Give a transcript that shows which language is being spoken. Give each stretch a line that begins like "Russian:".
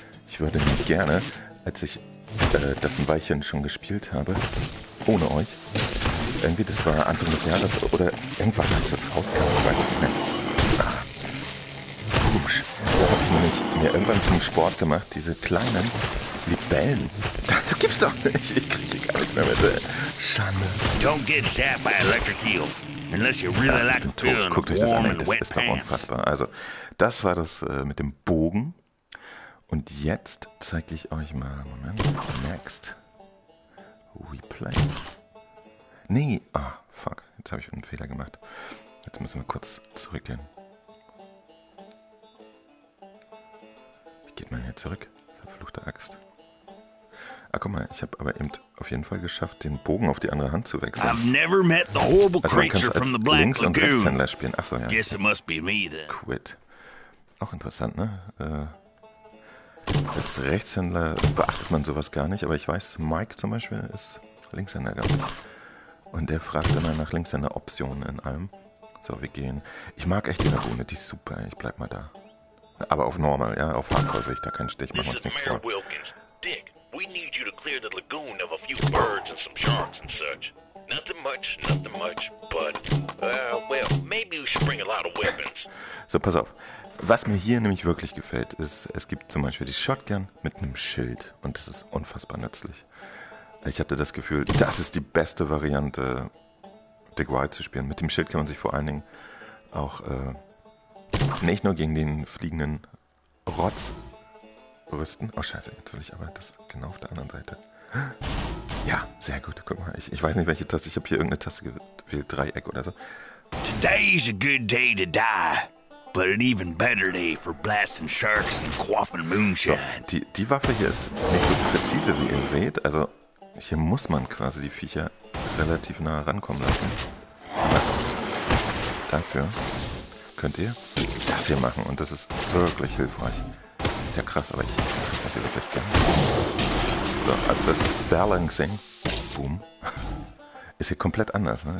German: Ich würde mich gerne, als ich das ein Weilchen schon gespielt habe, ohne euch, irgendwie, das war Anfang des Jahres oder irgendwann, als das rauskam, ich weiß nicht mehr. Ach, komisch. Da habe ich nämlich mir irgendwann zum Sport gemacht, diese kleinen Libellen. Das gibt's doch nicht. Ich kriege gar nichts mehr mit. Schande.
English: Don't get zapped by electric eels. Unless you really like the tone.
German: Guckt euch das an, das ist doch unfassbar. Also, das war das mit dem Bogen. Und jetzt zeige ich euch mal, Moment, next, replay, nee, ah, oh, fuck, jetzt habe ich einen Fehler gemacht, jetzt müssen wir kurz zurückgehen, wie geht man hier zurück, verfluchte Axt, ah, guck mal, ich habe aber eben auf jeden Fall geschafft, den Bogen auf die andere Hand zu wechseln,
English: I've never met the horrible creature from the Black Lagoon,
German: also man kann es als Links- und Rechtshändler spielen, ach so, ja,
English: guess it must be me then.
German: Quit, auch interessant, ne, als Rechtshändler beachtet man sowas gar nicht, aber ich weiß, Mike zum Beispiel ist Linkshänder gehabt. Und der fragt immer nach Linkshänder-Optionen in allem. So, wir gehen. Ich mag echt die Lagune, die ist super, ich bleib mal da. Aber auf Normal, ja, auf Hardcore sehe ich da keinen Stich, machen wir uns nichts vor.
English: Dick, we need you to clear the lagoon of a few birds and some sharks and such. Nothing much, but, well, maybe we should bring a lot of weapons.
German: So, pass auf. Was mir hier nämlich wirklich gefällt, ist, es gibt zum Beispiel die Shotgun mit einem Schild und das ist unfassbar nützlich. Ich hatte das Gefühl, das ist die beste Variante, Dick Wild zu spielen. Mit dem Schild kann man sich vor allen Dingen auch nicht nur gegen den fliegenden Rotz rüsten. Oh scheiße, jetzt will ich aber das genau auf der anderen Seite. Ja, sehr gut, guck mal, ich weiß nicht, welche Taste, ich habe hier irgendeine Taste gewählt, Dreieck oder so.
English: Today's a good day to die. But an even better day for blasting sharks and quaffing moonshine.
German: So, die Waffe hier ist nicht so präzise, wie ihr seht. Also hier muss man quasi die Viecher relativ nah rankommen lassen. Dafür könnt ihr das hier machen und das ist wirklich hilfreich. Ist ja krass, aber ich hätte hier wirklich gerne. So, also das Balancing, boom, ist hier komplett anders. Ne?